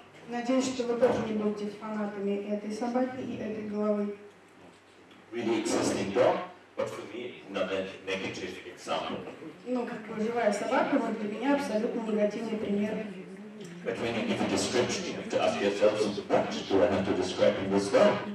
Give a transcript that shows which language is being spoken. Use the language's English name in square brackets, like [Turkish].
[Russian] Надеюсь, что вы тоже не будете фанатами этой собаки и этой головы. [English] Really existing dog, but for me, not a negative example. [Russian] Ну, как бы живая собака, но для меня абсолютно негативный пример. [English] But when you give a description, you have to ask yourself, what do I have to describe in this dog?